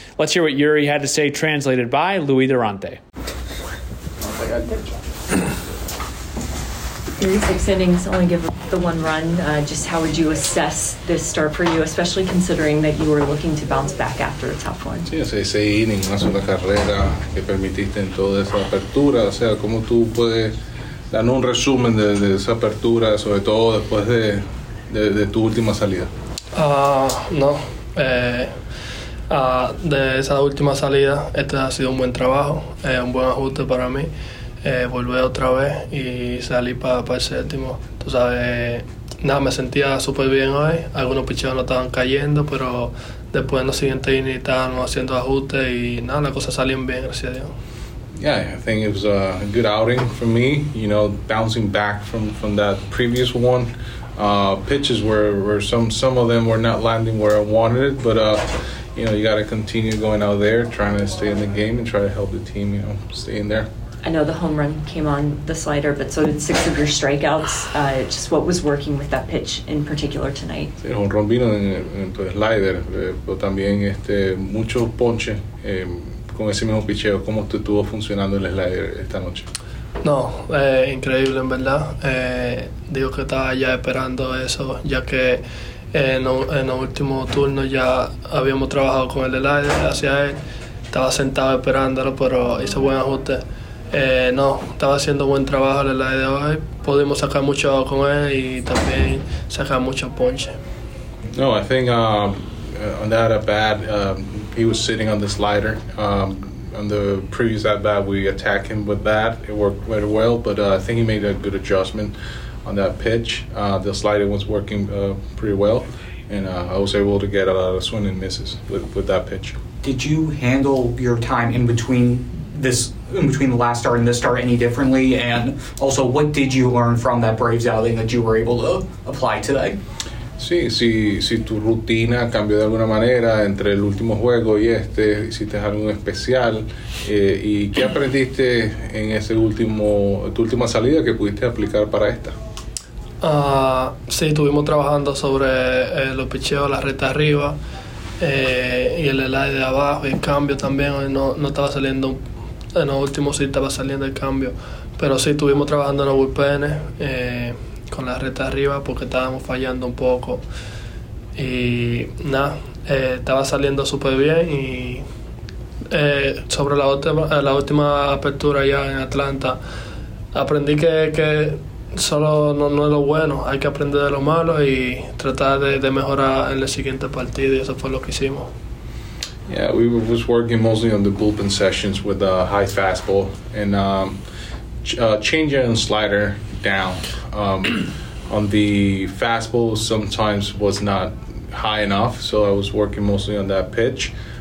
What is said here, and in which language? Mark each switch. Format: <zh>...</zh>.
<en>Let's hear what Yuri had to say, translated by Luis Durante. 6 innings, only give up the 1 run. Just how would you assess this start for you, especially considering that you were looking to bounce back after a tough one?</en> <es>Sí, 6 innings, una sola carrera que permitiste en toda esa apertura. O sea, ¿cómo tú puedes dar un resumen de esa apertura, sobre todo después de tu última salida? De esa última salida, este ha sido un buen trabajo, un buen ajuste para mí. Volví otra vez y salí para el séptimo. Tú sabes, me sentía súper bien hoy. Algunos picheos no estaban cayendo, pero después en los siguientes innings estaban haciendo ajustes y las cosas salían bien, gracias a Dios.</es> <en>Yeah, I think it was a good outing for me. Bouncing back from that previous one. Pitches were some of them were not landing where I wanted it, but you know, you got to continue going out there, trying to stay in the game and try to help the team, you know, stay in there. I know the home run came on the slider, but so did six of your strikeouts. Just what was working with that pitch in particular tonight?</en> <es>Sí, un home run vino en el slider, pero también muchos ponches con ese mismo picheo. ¿Cómo estuvo funcionando el slider esta noche? No, increíble en verdad. Digo que estaba ya esperando eso, ya que en el último turno ya habíamos trabajado con el slider hacia él. Estaba sentado esperándolo, pero hizo buen ajuste. No, estaba haciendo buen trabajo el slider hoy. Pudimos sacar mucho con él y también sacar mucho ponche.</es> <en>No, I think on that at bat, he was sitting on the slider. On the previous at bat, we attacked him with that. It worked very well, but I think he made a good adjustment on that pitch. The slider was working pretty well, and I was able to get a lot of swing and misses with that pitch. Did you handle your time in between the last start and this start any differently? And also, what did you learn from that Braves outing that you were able to apply today?</en> <es>Sí, si tu rutina cambió de alguna manera entre el último juego y este, hiciste algo especial, y qué aprendiste en ese último, tu última salida que pudiste aplicar para esta. Sí, estuvimos trabajando sobre los picheos, la recta arriba, y el slide de abajo y el cambio también. No estaba saliendo en los últimos, sí estaba saliendo el cambio, pero sí estuvimos trabajando en los bullpen con la recta arriba porque estábamos fallando un poco y nada, estaba saliendo súper bien. Y sobre la última apertura ya en Atlanta, aprendí que solo no es lo bueno, hay que aprender de lo malo y tratar de mejorar en el siguiente partido, y eso fue lo que hicimos.</es> <en>Yeah, we were just working mostly on the bullpen sessions with a high fastball and change and slider down. On the fastball sometimes was not high enough, so I was working mostly on that pitch.</en>